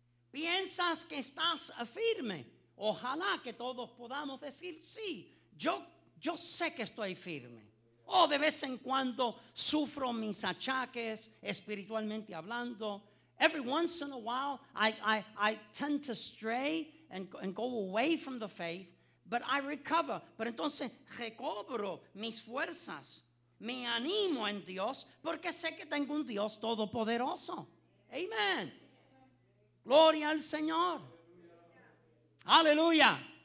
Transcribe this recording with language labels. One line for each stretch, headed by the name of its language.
Spanish: ¿Piensas que estás firme? Ojalá que todos podamos decir sí. Yo sé que estoy firme. De vez en cuando sufro mis achaques espiritualmente hablando.
English: Every once in a while, I tend to stray and go away from the faith, but I recover.
Spanish: Pero entonces recobro mis fuerzas, me animo en Dios, porque sé que tengo un Dios todopoderoso. Amen. Gloria al Señor. Aleluya.